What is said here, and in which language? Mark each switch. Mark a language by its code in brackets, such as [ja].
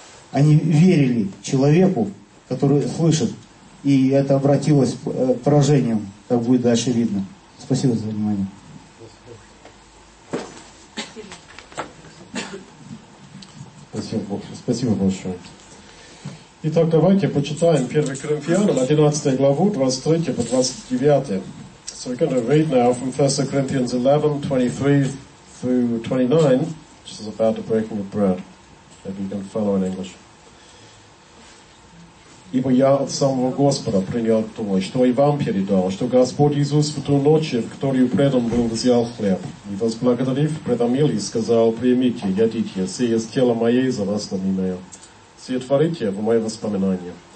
[ru] Они верили человеку, который слышит, и это обратилось поражением, как будет дальше видно. Спасибо за внимание. Спасибо большое. Итак, давайте почитаем 1 Коринфянам, 11 главу, 23 по 29. [en] So we're going to read now from 1 Corinthians 11, 23 through 29, which is about the breaking of bread. Maybe you can follow in English. [ru] Ибо я от самого Господа принял то, что и вам передал, что Господь Иисус в ту ночь, в которую предан был, взял хлеб, и возблагодарив, предомил и сказал, примите, едите, сие есть тело мое за вас на меня. Сие творите в мое воспоминание.